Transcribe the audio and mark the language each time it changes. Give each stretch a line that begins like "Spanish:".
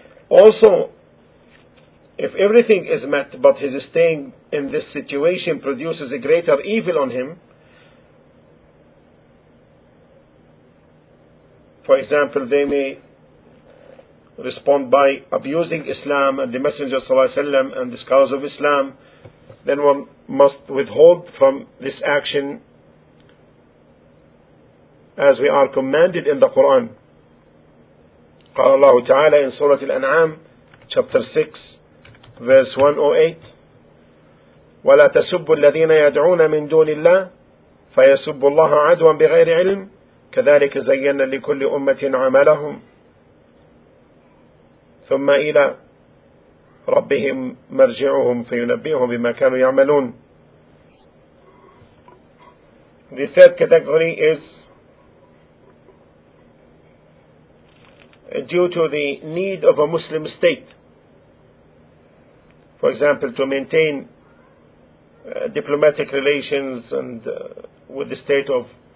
English: Also, if everything is met but his staying in this situation produces a greater evil on him, for example, they may respond by abusing Islam and the Messenger ﷺ and the scholars of Islam, then one must withhold from this action, as we are commanded in the Quran.
Arabic: قال الله تعالى
English: in Surah Al-An'am, chapter 6, verse 108,
Arabic: وَلَا تَسُبُّ الَّذِينَ يَدْعُونَ مِن دُونِ اللَّهِ فَيَسُبُّ اللَّهَ عَدْوًا بِغَيْرِ عِلْمٍ كَذَلِكَ زَيَّنَّ لِكُلِّ أُمَّةٍ عَمَلَهُمْ ثم إلى ربهم مرجعهم فينبئهم بما كانوا يعملون.
English: The third category is due to the need of a Muslim state. For example, to maintain diplomatic relations and with the state of